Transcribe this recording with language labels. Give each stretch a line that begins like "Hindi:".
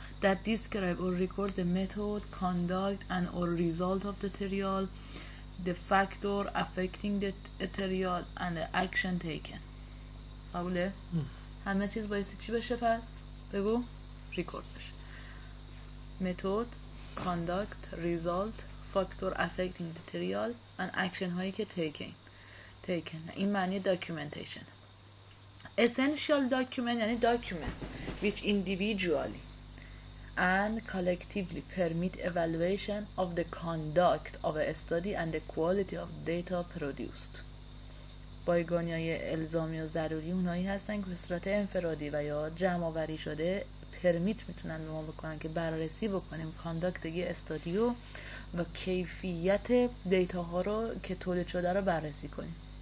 English: that describe or record the method, conduct and or result of the trial, the factor affecting the trial and the action taken.
Persian: قبوله؟ همه چیز بایستی چی بشه پس؟ بگو ریکورد بشه.
English: method, conduct, result, factor affecting the trial and action هایی که taken.
Persian: این معنی documentation.
English: essential document یعنی document which individually and collectively permit evaluation of the conduct of a study and the quality of data produced.
Persian: بایگانی های الزامی و ضروری اونایی هستن که به صورت انفرادی و یا جمع آوری شده پرمیت میتونن به ما بکنن که بررسی بکنیم کانداکت یه استادیو و کیفیت دیتا ها رو که تولید شده رو بررسی کنیم.